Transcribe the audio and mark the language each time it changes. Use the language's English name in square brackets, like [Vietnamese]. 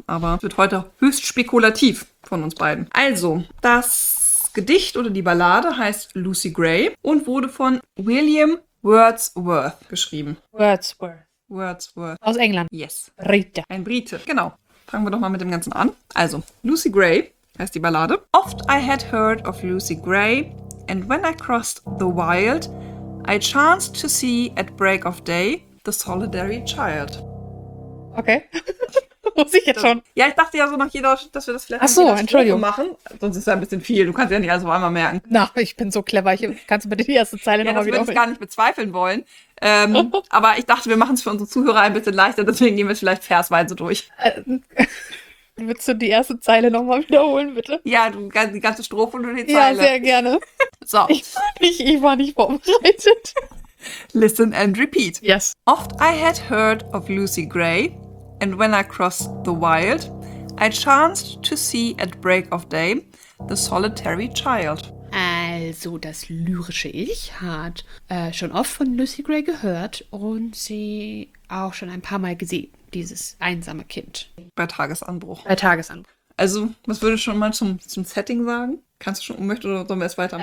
[German] Aber es wird heute höchst spekulativ von uns beiden. Also, das Gedicht oder die Ballade heißt Lucy Gray und wurde von William Wordsworth geschrieben. Wordsworth. Aus England. [English] Yes. [German] Brite. Ein Brite, genau. Fangen wir doch mal mit dem Ganzen an. Also, Lucy Gray heißt die Ballade. [English] Oft I had heard of Lucy Gray, and when I crossed the wild... I chanced to see at break of day the solitary child. [German] Okay. Muss ich jetzt schon? Ja, ich dachte ja so nach jeder, dass wir das vielleicht ach so, Entschuldigung. Machen. Sonst ist es ja ein bisschen viel. Du kannst ja nicht alles auf einmal merken. Na, ich bin so clever. Kannst du bitte die erste Zeile nochmal wiederholen? Ja, das würde ich gar nicht bezweifeln wollen. aber ich dachte, wir machen es für unsere Zuhörer ein bisschen leichter. Deswegen gehen wir es vielleicht versweise durch. Würdest du die erste Zeile nochmal wiederholen, bitte? Ja, du, die ganze Strophe und die Zeile. Ja, sehr gerne. So. Ich war nicht vorbereitet. [English] Listen and repeat. Yes. Oft I had heard of Lucy Gray, and when I crossed the wild, I chanced to see at break of day the solitary child. [German] Also, das lyrische Ich hat schon oft von Lucy Gray gehört und sie auch schon ein paar Mal gesehen, dieses einsame Kind. Bei Tagesanbruch. Bei Tagesanbruch. Also, was würde ich schon mal zum Setting sagen? Kannst du schon möchtest oder sollen wir es weitermachen?